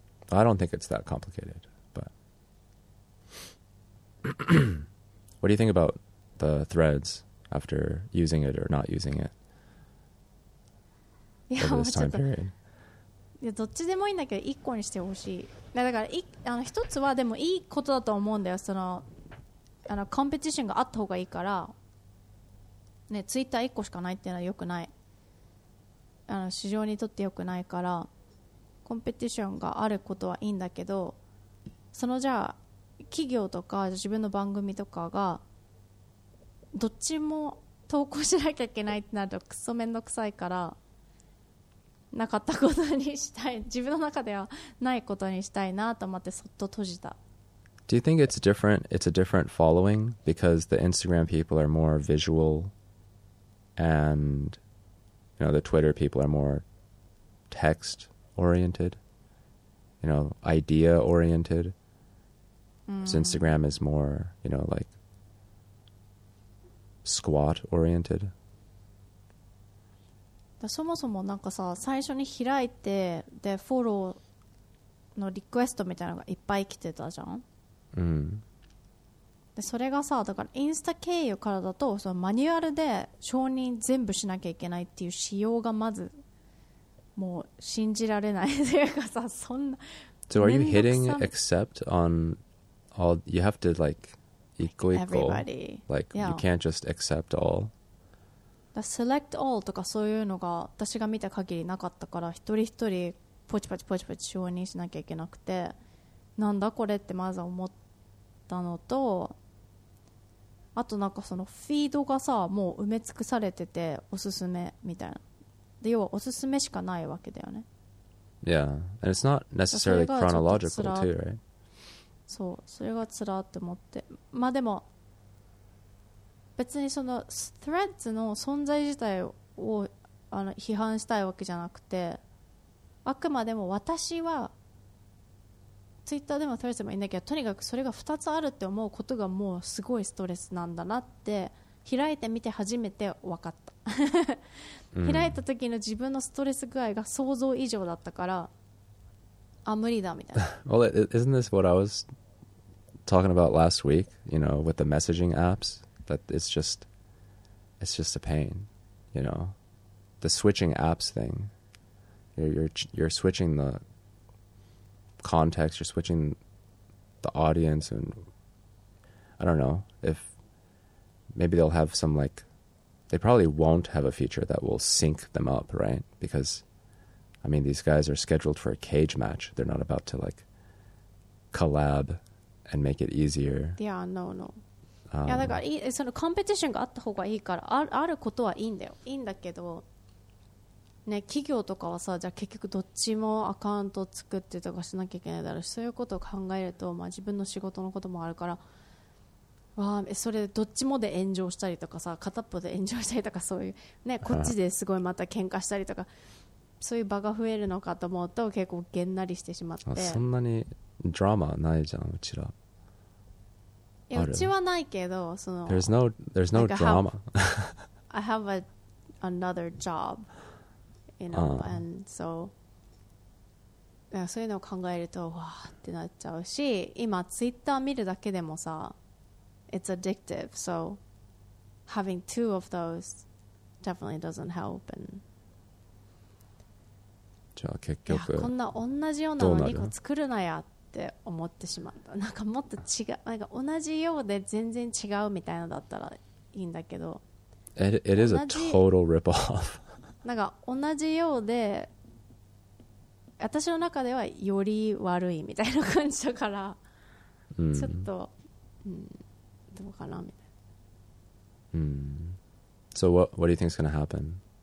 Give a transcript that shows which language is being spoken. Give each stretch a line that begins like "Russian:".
English: I don't think it's that complicated, but what do you think about the threads after using it or not using it for this time period?
Japanese: いや、どっちでもいいんだけど一個にしてほしい。だから一つはでもいいことだと思うんだよ。そのコンペティションがあった方がいいからね、ツイッター一個しかないっていうのは良くない、市場にとって良くないから、コンペティションがあることはいいんだけど、そのじゃあ企業とか自分の番組とかがどっちも投稿しなきゃいけないってなるとクソめんどくさいから、なかったことにしたい、自分の中ではないことにしたいなと思ってそっと閉じた。
English: Do you think it's a different following because the Instagram people are more visual and you know the Twitter people are more text oriented, you know, idea oriented. So Instagram is more, you know, like squat oriented.
Japanese: そもそもなんかさ、最初に開いてでフォローのリクエストみたいなのがいっぱい来てたじゃん、うん、でそれがさ、だからインスタ経由からだとそのマニュアルで承認全部しなきゃいけないっていう仕様がまずもう信じられないというかさ、そんな。
English: So are you hitting accept on all? You have to like
Japanese: 一個一個
English: everybody. Like、yeah. you can't just accept all Select all
Japanese: とかそういうのが私が見た限りなかったから、一人一人ポチポチポチポチ承認しなきゃいけなくて、なんだこれってまず思ったのと、あとなんかそのフィードがさもう埋め尽くされてて、おすすめみたいな、で要はおすすめしかないわけだよね。
English: Yeah, and it's not necessarily chronological too, right?
Japanese: そう、それがつらって思って、まあでも別にそのスレッズの存在自体を批判したいわけじゃなくて、あくまでも私はツイッターでもスレッズでもいいんだけど、とにかくそれが2つあるって思うことがもうすごいストレスなんだなって開いてみて初めて分かった開いた時の自分のストレス具合が想像以上だったから、あ無理だみたいな。
English: Well, isn't this what I was talking about last week, you know, with the messaging appsThat it's just a pain, you know, the switching apps thing. You're switching the context, you're switching the audience, and I don't know if maybe they'll have some like, they probably won't have a feature that will sync them up, right? Because, I mean, these guys are scheduled for a cage match. They're not about to like collab and make it easier. Yeah, no.
Japanese: いやだからそのコンペティションがあった方がいいから、あることはいいんだよ、いいんだけど、ね、企業とかはさ、じゃあ結局どっちもアカウント作ってとかしなきゃいけないだろう、そういうことを考えると、まあ、自分の仕事のこともあるから、わそれどっちもで炎上したりとかさ、片っぽで炎上したりとか、そういう、ね、こっちですごいまた喧嘩したりとか、そういう場が増えるのかと思うと結構げんなりしてしまって。そんなにドラマないじゃんうちら。いやうちはないけど、その
English: There's no drama. I have another job, you know,、uh-huh. and so
Japanese: そういうのを考えるとわーってなっちゃうし、今ツイッター見るだけでもさ、
English: it's addictive. So having two of those definitely doesn't help. And
Japanese: じゃあ結局こんな同じようなの2個作るなやって思ってしまった。なんかもっと違う、なんか同じようで全然違うみたいなだったらいいんだけど、
English: It is a total rip off.
Japanese: なんか同じようで私の中ではより悪いみたいな感じだから、 mm. ちょっと、どうかなみたいな、
English: So what do you think is going to happen?